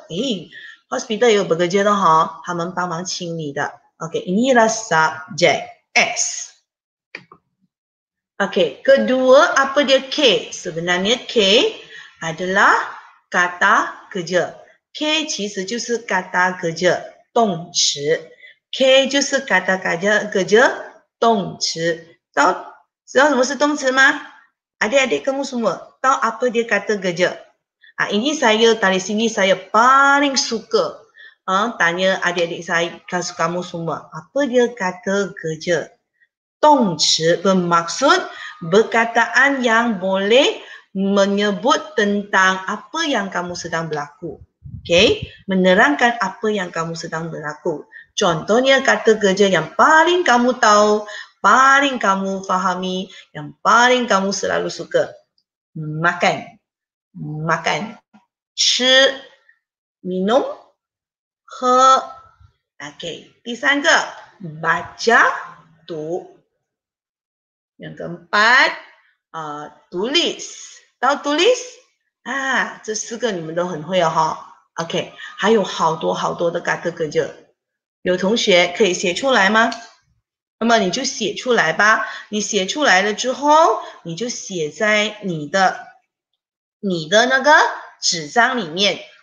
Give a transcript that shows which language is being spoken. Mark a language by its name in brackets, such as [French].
[Chinese] Hey, hospital 有 bekerja 的哈，他们帮忙清理的。 [Malay] Okay, ini adalah subject S. Okay, kedua apa dia K? Sebenarnya K adalah kata kerja. [Chinese] K 其实就是 kata kerja, 动词。 K 就是 kata kerja, 动词。知道什么是动词吗？ [Malay] Adik-adik kamu semua, tahu apa dia kata kerja? Ini saya, dari sini saya paling suka tanya adik-adik saya, kamu semua, apa dia kata kerja? 动词 bermaksud perkataan yang boleh menyebut tentang apa yang kamu sedang berlaku. Okay, menerangkan apa yang kamu sedang berlaku. Contohnya kata kerja yang paling kamu tahu, paling kamu fahami, yang paling kamu selalu suka. Makan, [Chinese] 吃 [Malay] minum, [Chinese] 喝 [Malay] Okay, [Chinese] 第三个 [Malay] baca, [Chinese] 读 [Malay] Yang keempat, tulis. Tahu tulis? [Chinese] Ah, 这四个你们都很会哦。OK, 还有好多好多的kata kerja。有同学可以写出来吗？那么你就写出来吧。你写出来了之后，你就写在你的那个纸张里面。